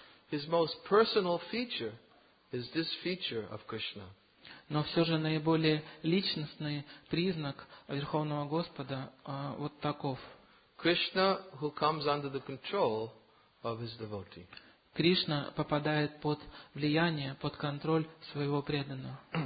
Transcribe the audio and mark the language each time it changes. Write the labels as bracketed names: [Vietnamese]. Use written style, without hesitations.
[English] His most personal feature is this feature of Krishna. [Russian] Но все же наиболее личностный признак Верховного Господа вот таков. [English] Krishna, who comes under the control of His devotee. [Russian] Кришна попадает под влияние, под контроль своего преданного.